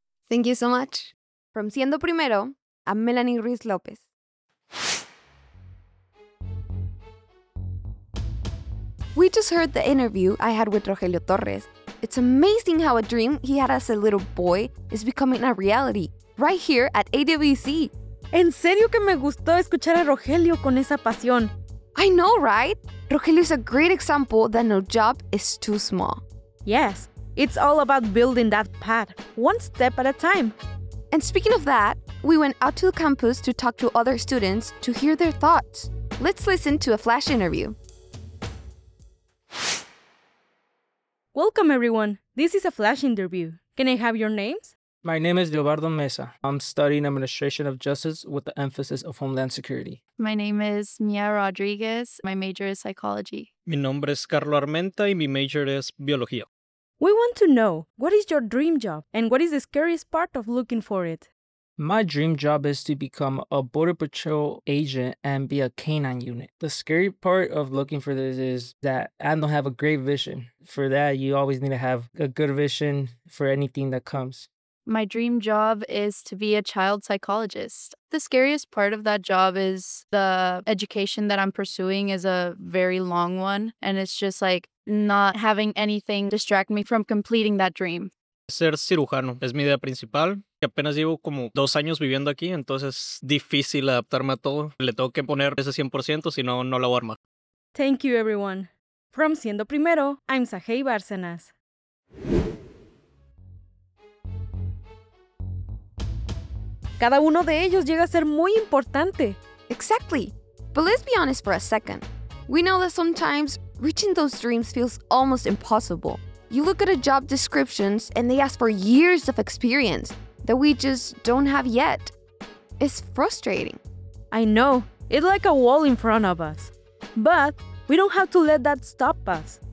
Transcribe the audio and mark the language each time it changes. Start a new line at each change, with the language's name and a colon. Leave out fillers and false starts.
English: Thank you so much. From Siendo Primero, I'm Melanie Ruiz López. We just heard the interview I had with Rogelio Torres. It's amazing how a dream he had as a little boy is becoming a reality, right here at AWC.
Spanish: En serio que me gustó escuchar a Rogelio con esa pasión.
English: I know, right? Rogelio is a great example that no job is too small. Yes, it's all about building that path, one step at a time. And speaking of that, we went out to the campus to talk to other students to hear their thoughts. Let's listen to a flash interview. Welcome, everyone. This is a flash interview. Can I have your names? My name is Leobardo Mesa. I'm studying Administration of Justice with the emphasis of Homeland Security. My name is Mia Rodriguez. My major is Psychology.
Spanish: Mi nombre es Carlo Armenta y mi major es Biología.
English: We want to know, what is your dream job and what is the scariest part of looking for it? My dream job is to become a Border Patrol agent and be a canine unit. The scary part of looking for this is that I don't have a great vision. For that, you always need to have a good vision for anything that comes. My dream job is to be a child psychologist. The scariest part of that job is the education that I'm pursuing is a very long one. And it's just like not having anything distract me from completing that dream.
Spanish: Ser cirujano es mi idea principal. Apenas llevo como 2 años viviendo aquí, entonces es difícil adaptarme a todo. Le tengo que poner ese 100%, si no, no la voy a armar.
English: Thank you, everyone. From Siendo Primero, I'm Sahei Bárcenas.
Spanish: cada uno de ellos llega a ser muy importante.
English: Exactly. But let's be honest for a second. We know that sometimes reaching those dreams feels almost impossible. You look at a job descriptions and they ask for years of experience that we just don't have yet. It's frustrating. I know. It's like a wall in front of us. But we don't have to let that stop us.